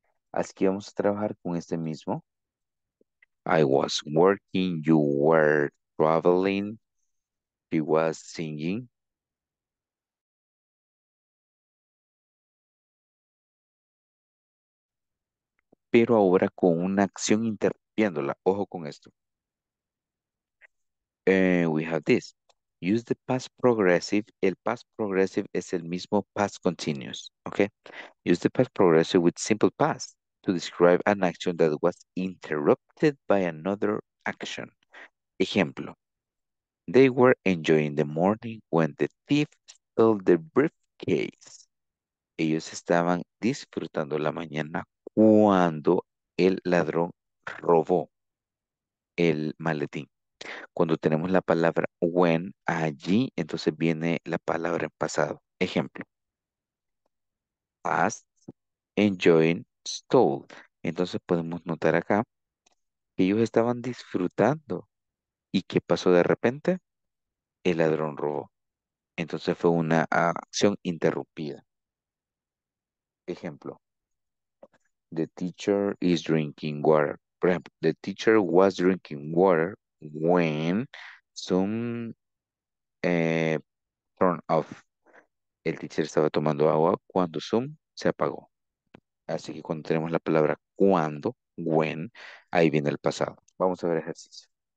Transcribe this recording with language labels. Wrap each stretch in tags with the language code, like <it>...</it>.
<es>Así que vamos a trabajar con este mismo.</es> <en>I was working, you were traveling, he was singing.</en> <es>Pero ahora con una acción interrumpiéndola. Ojo con esto.</es> <en>We have this. Use the past progressive. El past progressive es el mismo past continuous. Okay. Use the past progressive with simple past to describe an action that was interrupted by another action. Ejemplo. They were enjoying the morning when the thief stole the briefcase.</en> <es>Ellos estaban disfrutando la mañana cuando el ladrón robó el maletín. Cuando tenemos la palabra when allí, entonces viene la palabra en pasado. Ejemplo. Past enjoying stole. Entonces podemos notar acá que ellos estaban disfrutando. ¿Y qué pasó de repente? El ladrón robó. Entonces fue una acción interrumpida. Ejemplo.</es> <en>The teacher is drinking water. Por ejemplo, the teacher was drinking water when some turned off.</en> <es>El teacher estaba tomando agua cuando some se apagó. Así que cuando tenemos la palabra cuando, when, ahí viene el pasado. Vamos a ver ejercicio.</es>